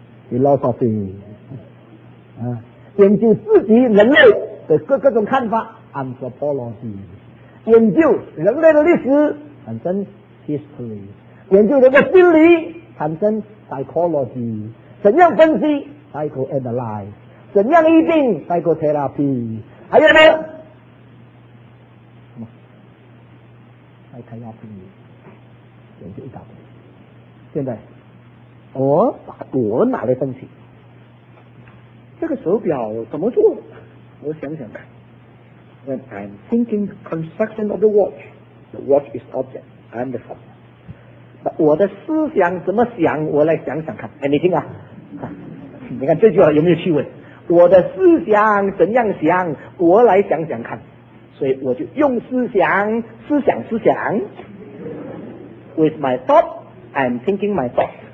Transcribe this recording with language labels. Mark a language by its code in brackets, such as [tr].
[zh] philosophy、研究自己人类的各种看法 anthropology，研究人类的历史，产生 history， 研究人的心理，产生 psychology， 怎样分析 psychoanalyze， 怎样医病 psychotherapy， 还有没有？什么？ psychiatry， 研究一大堆。现在我把我拿来分析，这个手表怎么做？我想想看。 [en] When I'm thinking the construction of the watch is object, I'm the subject. [zh] But 我的思想怎么想，我来想想看。哎，你听啊，你看这句话有没有趣味？我的思想怎样想，我来想想看。所以我就用思想，思想思想。 [en] With my thought, I'm thinking my thought.